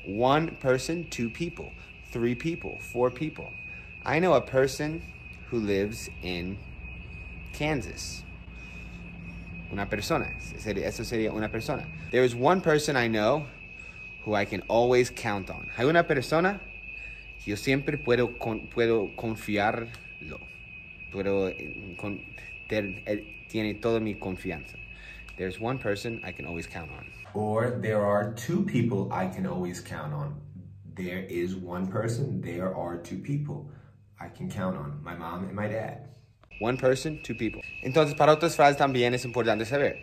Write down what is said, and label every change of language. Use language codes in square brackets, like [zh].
[en] One person, two people, three people, four people. I know a person who lives in Kansas. [es] Una persona. Eso sería una persona. [en] There is one person I know who I can always count on. [es] Hay una persona que yo siempre puedo confiarlo. Tiene toda mi confianza. [en] There is one person I can always count on. Or there are two people I can always count on. There is one person, there are two people I can count on. My mom and my dad. One person, two people. [es] Entonces, para otras frases también es importante saber.